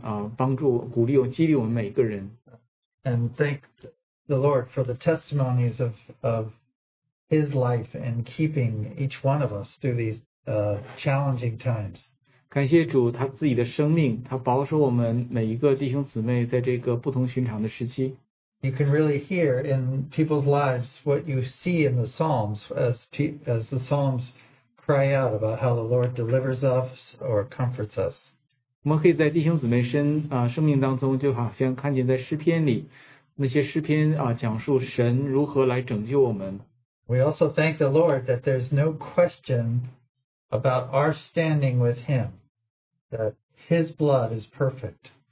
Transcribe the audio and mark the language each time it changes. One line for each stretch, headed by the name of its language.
Chinese: 但愿她祷告的榜样，帮助、鼓励、激励我们每一个人。
English: And thank the Lord for the testimonies of His life and keeping each one of us through these challenging times.
Chinese: 感谢主，他自己的生命，他保守我们每一个弟兄姊妹在这个不同寻常的时期。
English: You can really hear in people's lives what you see in the Psalms as the Psalms cry out about how the Lord delivers us or comforts us.
Chinese: 我们可以在弟兄姊妹生命当中就好像看见在诗篇里那些诗篇讲述神如何来拯救我们。
English: We also thank the Lord that there's no question about our standing with Him, that His blood is perfect.